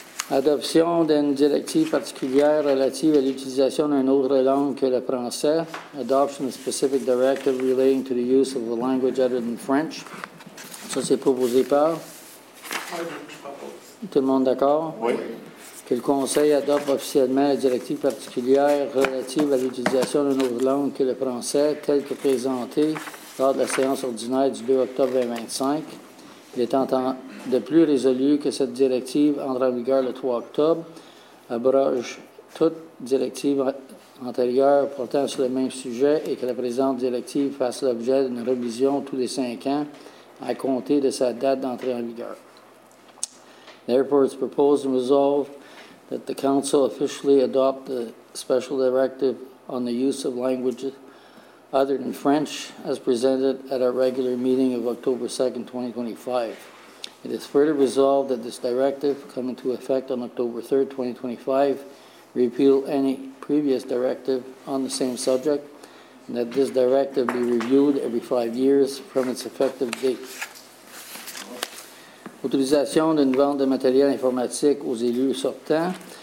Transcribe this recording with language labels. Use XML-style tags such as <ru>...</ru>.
<fr>Adoption d'une directive particulière relative à l'utilisation d'une autre langue que le français.</fr> <en>Adoption of a specific directive relating to the use of a language other than French.</en> <fr>Ça, c'est proposé par? Tout le monde d'accord? Oui. Que le Conseil adopte officiellement la directive particulière relative à l'utilisation d'une autre langue que le français, telle que présentée lors de la séance ordinaire du 2 octobre 2025. Il est de plus résolu que cette directive entre en vigueur le 3 octobre, abroge toute directive antérieure portant sur le même sujet et que la présente directive fasse l'objet d'une révision tous les 5 ans à compter de sa date d'entrée en vigueur.</fr> <en>Therefore, it's proposed and resolved that the Council officially adopt the special directive on the use of languages other than French as presented at our regular meeting of October 2nd, 2025. It is further resolved that this directive, come into effect on October 3rd, 2025, repeal any previous directive on the same subject, and that this directive be reviewed every 5 years from its effective date.</en> <fr>Utilisation d'une vente de matériel informatique aux élus sortants.</fr>